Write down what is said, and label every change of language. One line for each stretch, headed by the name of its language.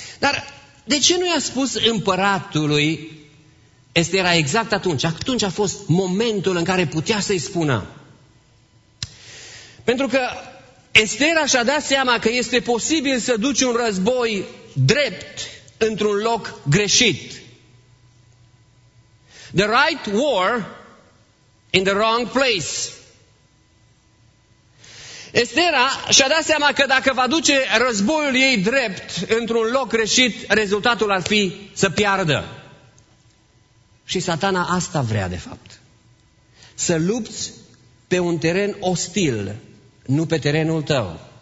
Romanian: Dar de ce nu i-a spus împăratului Estera exact atunci? Atunci a fost momentul în care putea să-i spună. Pentru că Estera și-a dat seama că este posibil să duci un război drept într-un loc greșit.
English: The right war in the wrong place.
Romanian: Estera și-a dat seama că dacă va duce războiul ei drept într-un loc greșit, rezultatul ar fi să piardă. Și satana asta vrea, de fapt. Să lupți pe un teren ostil, nu pe terenul tău.